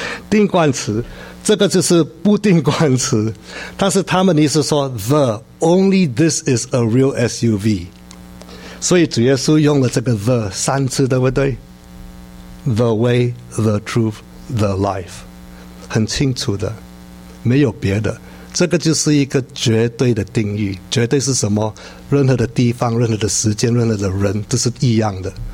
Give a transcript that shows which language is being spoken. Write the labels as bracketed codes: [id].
[zh] 定冠词，这个就是不定冠词。但是他们的意思说 [en] ，the only this is a real SUV。 [zh] 所以主耶稣用了这个 the 三次，对不对 ？ [en] The way, the truth, the life。 [zh] 很清楚的，没有别的，这个就是一个绝对的定义。绝对是什么？任何的地方、任何的时间、任何的人都是一样的。